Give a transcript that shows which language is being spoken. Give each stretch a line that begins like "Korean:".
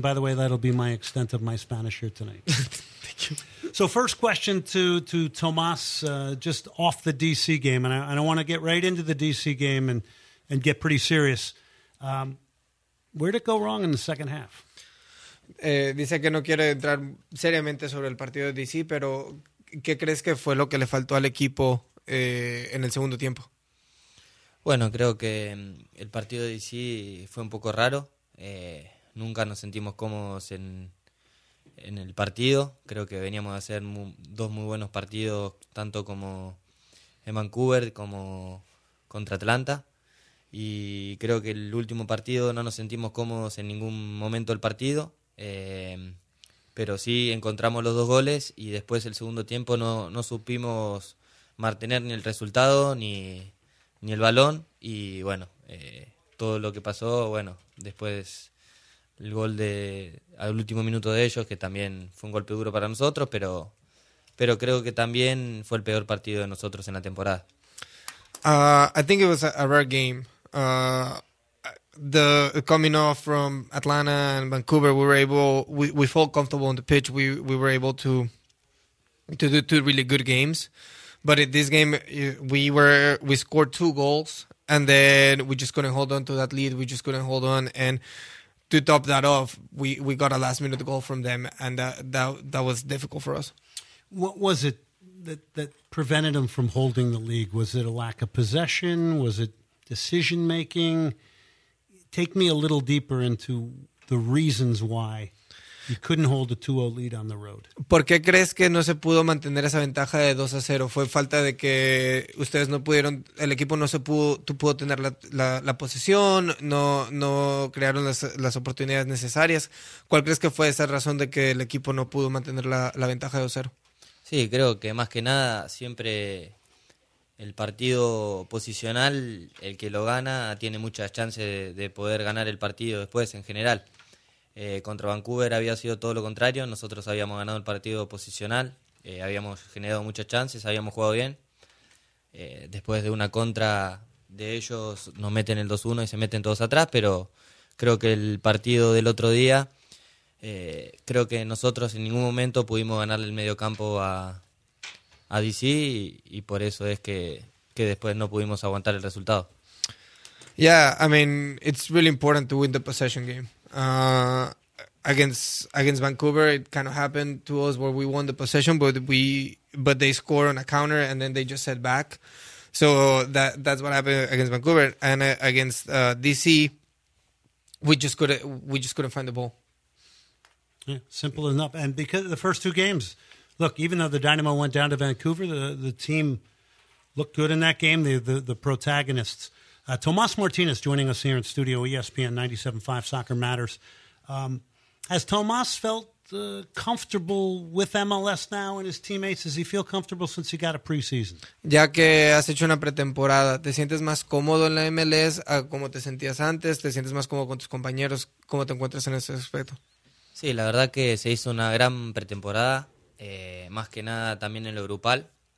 English: By the way, that'll be my extent of my Spanish here tonight. Thank you. So first question to Tomas, just off the D.C. game, and I want to get right into the D.C. game and get pretty serious. Where'd it go wrong in the second half?
Spanish: Dice que no quiere entrar seriamente sobre el partido de D.C., pero ¿qué crees que fue lo que le faltó al equipo en el segundo tiempo? Bueno, creo que el partido de DC fue un poco raro. Nunca nos sentimos cómodos en el partido. Creo que veníamos a hacer dos muy buenos partidos, tanto como en Vancouver como contra Atlanta. Y creo que el último partido no nos sentimos cómodos en ningún momento del partido. Pero sí encontramos los dos goles y después el segundo tiempo no supimos mantener ni el resultado ni el balón, y bueno, todo lo que pasó, bueno, después el gol de al último minuto de ellos, que también fue un golpe duro para nosotros, pero creo que también fue el peor partido de nosotros en la temporada.
English: I think it was a rare game. The coming off from Atlanta and Vancouver, we felt comfortable on the pitch. We were able to do two really good games. But in this game, we scored two goals, and then we just couldn't hold on to that lead. We just couldn't hold on, and to top that off, we got a last minute goal from them, and that was difficult for us. What was it that prevented them from holding the lead? Was it a lack of possession? Was it decision making? Take me a little deeper into the reasons why. You couldn't hold a 2-0 lead on the road.
Spanish: ¿Por qué crees que no se pudo mantener esa ventaja de 2-0? ¿Fue falta de que ustedes no pudieron, el equipo no se pudo, tú pudo tener la posesión, no crearon las oportunidades necesarias? ¿Cuál crees que fue esa razón de que el equipo no pudo mantener la ventaja de 2-0? Sí, creo que más que nada siempre el partido posicional, el que lo gana, tiene muchas chances de poder ganar el partido después en general. Contra Vancouver había sido todo lo contrario, nosotros habíamos ganado el partido posicional, habíamos generado muchas chances, habíamos jugado bien. Después de una contra de ellos nos meten el 2-1 y se meten todos atrás, pero creo que el partido del otro día, creo que nosotros en ningún momento pudimos ganarle el medio campo a DC y por eso es que después no pudimos aguantar el resultado.
English: Yeah, I mean, it's really important to win the possession game. Against Vancouver, it kind of happened to us where we won the possession, but they score on a counter and then they just set back. So that's what happened against Vancouver, and against DC, we just couldn't find the ball. Yeah, simple enough. And because the first two games, look, even though the Dynamo went down to Vancouver, the team looked good in that game. The protagonists. Tomas Martinez joining us here in studio, ESPN 97.5 Soccer Matters. Has Tomas felt comfortable with MLS now and his teammates? Does he feel comfortable since he got a preseason?
Spanish: Ya que has hecho una pretemporada, ¿te sientes más cómodo en la MLS como te sentías antes? ¿Te sientes más cómodo con tus compañeros? ¿Cómo te encuentras en ese aspecto? Sí, la verdad que se hizo una gran pretemporada, más que nada también en lo grupal.